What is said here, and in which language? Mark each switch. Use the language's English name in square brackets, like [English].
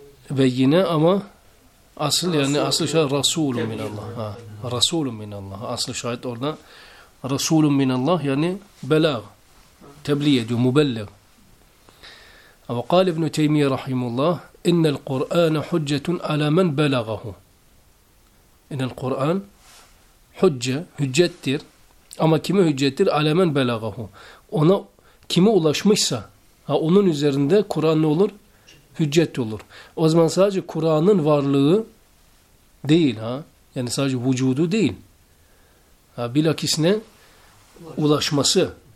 [Turkish] Beyyine ama asıl yani asıl şahit rasûlun minallâh. Rasûlun minallâh. Asıl şahit orada. Rasûlun minallâh yani belâg. Tebliğ ediyor, mübelleg. [Arabic] Ve kâle ibn-i Teymiye rahimullah, اِنَّ الْقُرْآنَ حُجَّةٌ عَلَى مَنْ بَلَغَهُ. اِنَّ الْقُرْآنَ حُجَّةٌ, hüccettir. [Turkish] Ama kime hüccettir? [Arabic] عَلَى مَنْ بَلَغَهُ. [Turkish] Ona kime ulaşmışsa, ha onun üzerinde Kur'an ne olur? Hüccet olur. O zaman sadece Kur'an'ın varlığı değil ha. Yani sadece vücudu değil. Ha, bilakis ne? Ulaşması.